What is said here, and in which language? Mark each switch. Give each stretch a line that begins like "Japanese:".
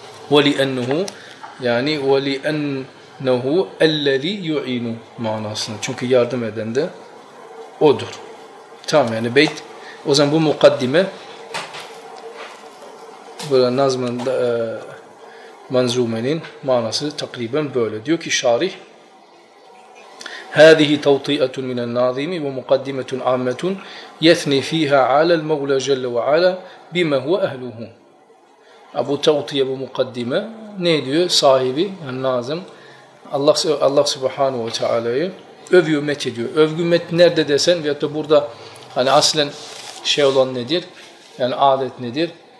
Arabic: وَلِأَنَّهُ yani وَلِأَنَّهُ اَلَّذِي يُعِينُ
Turkish: manasını. Çünkü yardım eden de odur. Tamam yani beyt. O zaman bu mukaddime böyle nazmın manzumenin manası takriben böyle. Diyor ki şarih
Arabic: هَذِهِ تَوْطِئَةٌ مِنَ النَّاظِيمِ وَمُقَدِّمَةٌ عَامَّةٌ يَثْنِي ف۪يهَا عَلَى الْمَغْلَى جَلَّ وَعَلَى بِمَا هُوَ اَهْلُهُ.
Turkish: Abu Tawtiye bu mukaddime ne diyor? Sahibi, yani Nazım Allah Subhanahu ve Teala'yı övüyor, met ediyor. Övgü met nerede desen veyahut da burada hani aslen şey olan nedir? Yani adet nedir?